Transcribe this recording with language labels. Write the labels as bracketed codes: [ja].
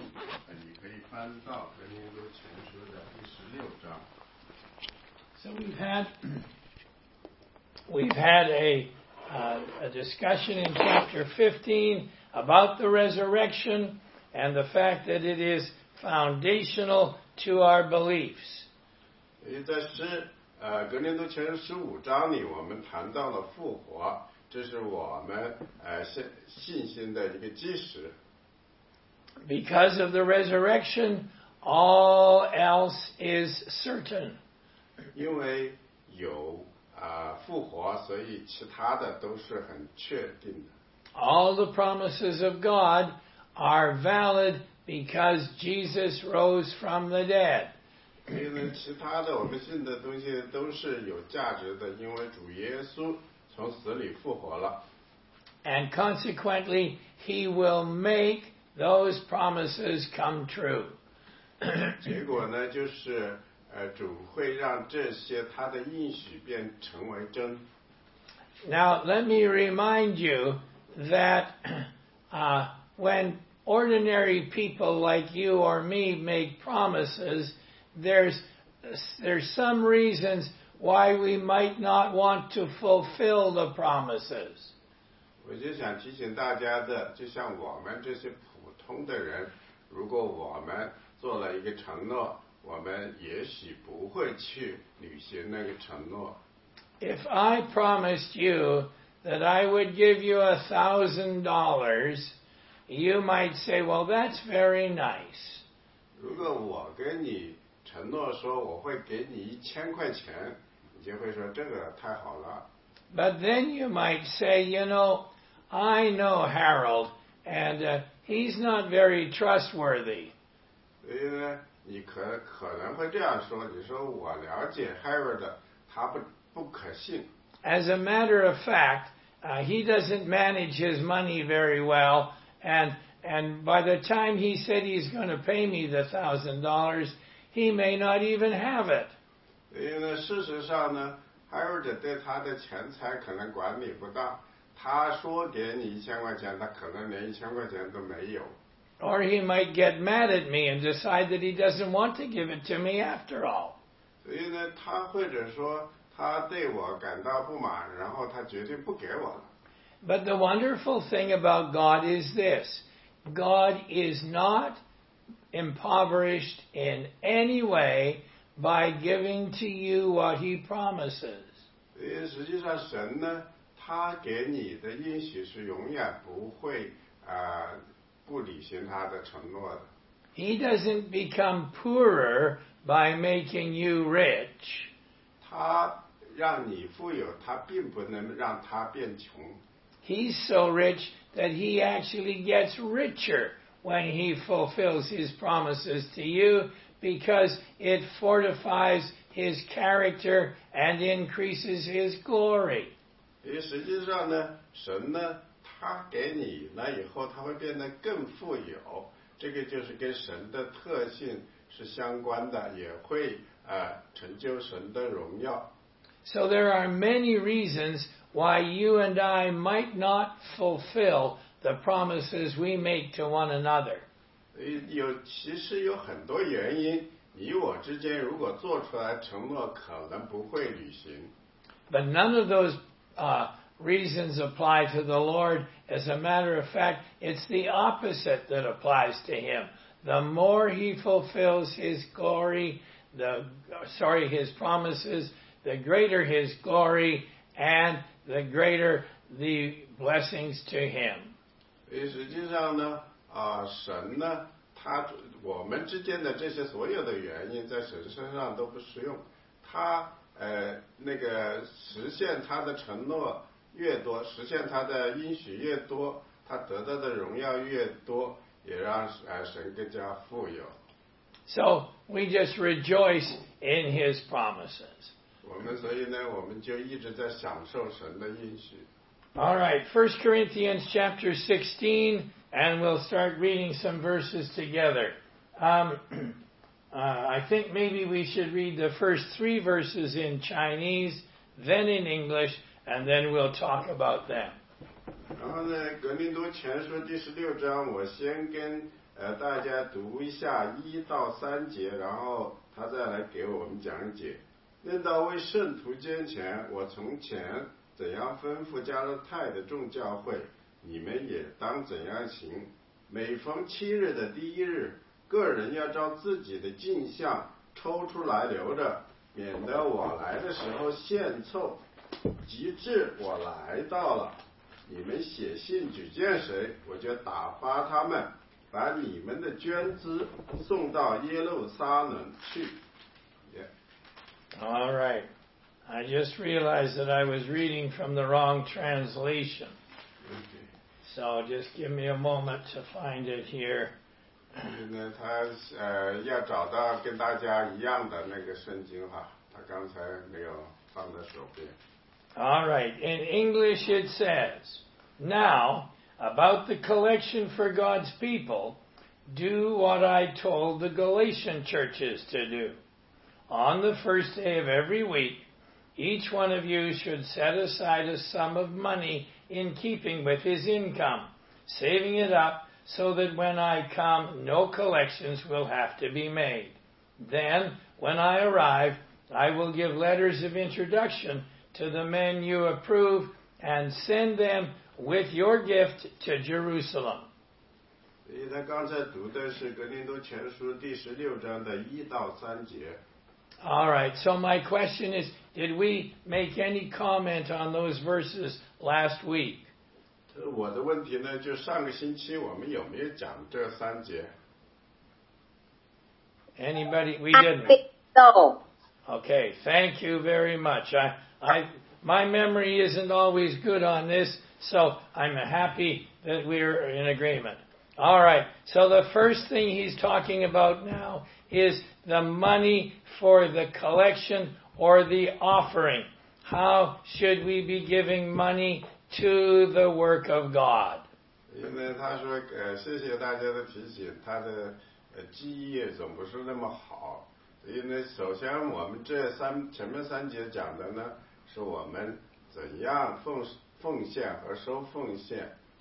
[zh] 翻到格林多前书的第十六章。 [en] So we've had a discussion in chapter 15 about the resurrection and the fact that it is foundational to our beliefs. [zh] 在格林多前书十五章里，我们谈到了复活，这是我们信心的一个基石。 [en] Because of the resurrection, all else is certain. [zh] 因为有复活，所以其他的都是很确定的。 [en] All the promises of God are valid because Jesus rose from the dead. [zh] 因为其他的我们信的东西都是有价值的，因为主耶稣从死里复活了。 [en] And consequently, he will make those promises come true. [zh] 结果呢，就是主会让这些他的应许变成为真。 [en] Now let me remind you that when ordinary people like you or me make promises, there's some reasons why we might not want to fulfill the promises. [zh] 我就想提醒大家的，就像我们这些通的人，如果我们做了一个承诺，我们也许不会去履行那个承诺。 [en] If I promised you that I would give you $1,000, you might say, well, that's very nice. [zh] 如果我跟你承诺说我会给你1000块钱，你就会说这个太好了。 [en] But then you might say, you know, I know Harold, and he's not very trustworthy. [zh] 所以呢，你可能会这样说，你说我了解 Harold， 他不可信。 [en] As a matter of fact, he doesn't manage his money very well, and by the time he said he's going to pay me the $1,000, he may not even have it. [zh] 所以呢，事实上呢 ，Harold 对他的钱财可能管理不当。他说给你1000块钱，他可能连1000块钱都没有。 [en] Or he might get mad at me and decide that he doesn't want to give it to me after all. [zh] 所以呢，他或者说他对我感到不满，然后他决定不给我了。 [en] But the wonderful thing about God is this: God is not impoverished in any way by giving to you what He promises. [zh] 所以实际上神呢，他给你的应许是永远不会不履行他的承诺的。 [en] He doesn't become poorer by making you rich. [zh] 他让你富有，他并不能让他变穷。 [en] He's so rich that he actually gets richer when he fulfills his promises to you because it fortifies his character and increases his glory. [zh] 因为实际上呢，神呢，他给你了以后，他会变得更富有，这个就是跟神的特性是相关的，也会成就神的荣耀。 [en] So there are many reasons why you and I might not fulfill the promises we make to one another. [zh] 其实有很多原因，你我之间如果做出来承诺，可能不会履行。 [en] But none of those reasons apply to the Lord. As a matter of fact, it's the opposite that applies to Him. The more He fulfills His glory, His promises, the greater His glory and the greater the blessings to Him. [zh] 实际上呢，神呢，他我们之间的这些所有的原因在神身上都不适用。他那个实现他的承诺越多，实现他的应许越多，他得到的荣耀越多，也让神更加富有。 [en] So we just rejoice in His promises. [zh] 我们所以呢，我们就一直在享受神的应许。 [en] All right, 1 Corinthians chapter 16, and we'll start reading some verses together. I think maybe we should read the first three verses in Chinese, then in English, and then we'll talk about them. [zh] 然后呢，《格林多前书》第十六章，我先跟大家读一下一到三节，然后他再来给我们讲解。论到为圣徒捐钱，我从前怎样吩咐加勒泰的众教会，你们也当怎样行。每逢七日的第一日，个人要照自己的进项抽出来留着，免得我来的时候献凑，及至我来到了，你们写信举荐谁，我就打发他们把你们的捐资送到耶路撒冷去。 [en] Yeah. All right. I just realized that I was reading from the wrong translation. So just give me a moment to find it here. [zh] 那他要找到跟大家一样的那个圣经哈，他刚才没有放在手边。 [en] All right. In English it says, now, about the collection for God's people, do what I told the Galatian churches to do. On the first day of every week, each one of you should set aside a sum of money in keeping with his income, saving it up so that when I come, no collections will have to be made. Then, when I arrive, I will give letters of introduction to the men you approve and send them with your gift to Jerusalem. [zh] 所以他刚才读的是格林多前书第十六章的一到三节。 [en] All right, so my question is, did we make any comment on those verses last week? [zh] 我的问题呢，就上个星期我们有没有讲这三节？ [en] Anybody? We didn't. I think so. Okay, thank you very much. My memory isn't always good on this, so I'm happy that we're in agreement. All right, so the first thing he's talking about now is the money for the collection or the offering. How should we be giving money to the work of God? [zh] 因为他说谢谢大家的提醒，他的记忆总不是那么好，所以呢，首先我们这三前面三节讲的呢，是我们怎样奉献和收奉献。